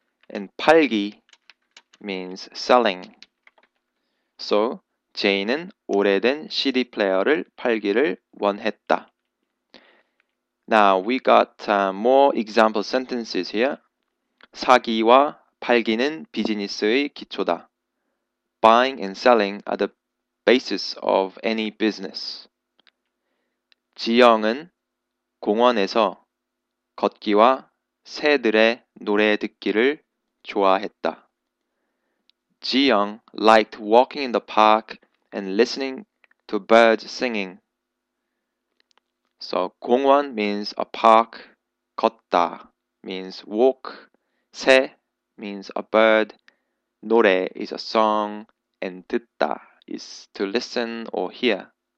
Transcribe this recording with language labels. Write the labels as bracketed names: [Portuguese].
[English] And 팔기 means selling. [Korean] So, Jane은 오래된 CD 플레이어를 팔기를 원했다. [English] Now, we got more example sentences here. [Korean] 사기와 팔기는 비즈니스의 기초다. [English] Buying and selling are the basis of any business. [Korean] 지영은 공원에서 걷기와 새들의 노래 듣기를 좋아했다. [English] Ji-young liked walking in the park and listening to birds singing. So, 공원 means a park, 걷다 means walk, 새 means a bird, 노래 is a song, and 듣다 is to listen or hear.